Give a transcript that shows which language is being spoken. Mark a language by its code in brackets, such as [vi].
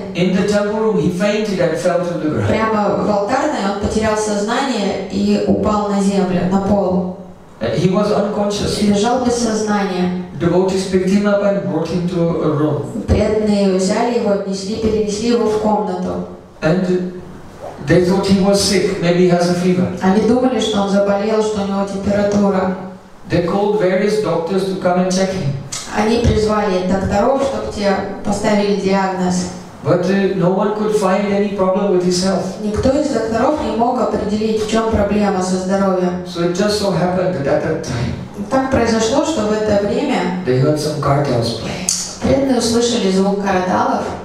[en] in the temple room he fainted and fell to the ground. [ru] Прямо в алтарной он потерял сознание и упал на землю, на пол. [en] He was unconscious. [ru] Лежал без сознания. [en] Devotees picked him up and brought him to a room. [ru] Преданные взяли его, отнесли, перенесли его в комнату. [en] And they thought he was sick. Maybe he has a fever. [ru] Они думали, что он заболел, что у него температура. [en] They called various doctors to come and check him. [ru] Они призвали докторов, чтобы те поставили диагноз. [en] But no one could find any problem with his health. [ru] Никто из докторов не мог определить, в чем проблема со здоровьем. [en] So it just so happened that at that time. [ru] Так произошло, что в это время. [en] They heard some cartels play. [ru] Преданные услышали звук карталов.